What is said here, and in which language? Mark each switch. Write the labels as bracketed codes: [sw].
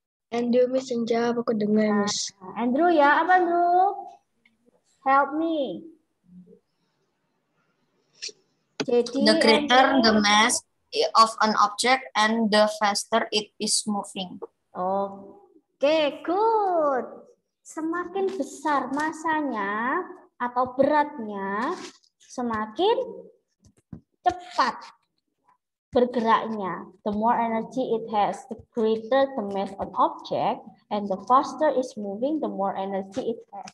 [id] Andrew, Miss, yang jawab. Aku dengar, Miss. Andrew ya, apa Andrew? [en] Help me. Jadi, the greater Andrew, the mass of an object and the faster it is moving. Oke, okay, good. [id] Semakin besar masanya atau beratnya, semakin cepat bergeraknya. [en] The more energy it has, the greater the mass of object, and the faster it's moving, the more energy it has.